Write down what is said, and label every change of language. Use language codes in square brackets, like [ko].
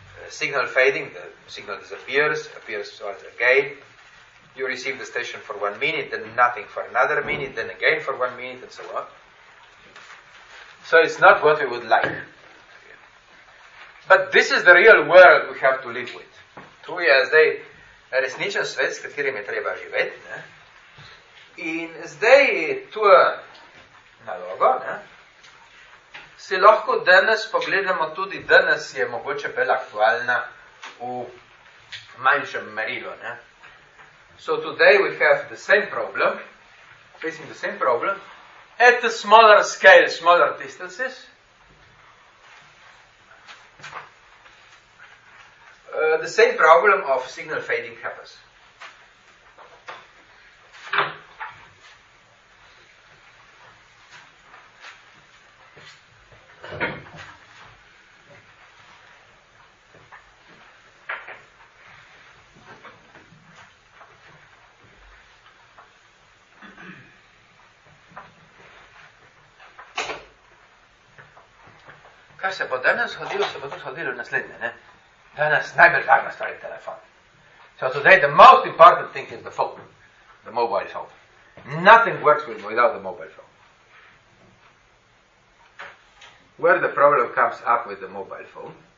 [en] Signal fading, the signal appears again. You receive the station for 1 minute, then nothing for another minute, then again for 1 minute, and so on. So it's not what we would like. But this is the real world we have to live with. [sl] Tu je zdaj resničen svet, s katerim je treba živeti, ne? In zdaj tu nalogo, ne, se lahko danes pogledamo, tudi danes je mogoče bolj aktualna v manjšem merilu. Ne. [en] So today we have the same problem, facing the same problem, at a smaller scale, smaller distances. The same problem of signal fading happens. [sl] Kar se bo danes zgodilo, se bo tudi zgodilo naslednje, ne? Danes najbolj varna stvar je telefon. [en] So today the most important thing is the phone, the mobile phone. Nothing works without the mobile phone. Where the problem comes up with the mobile phone?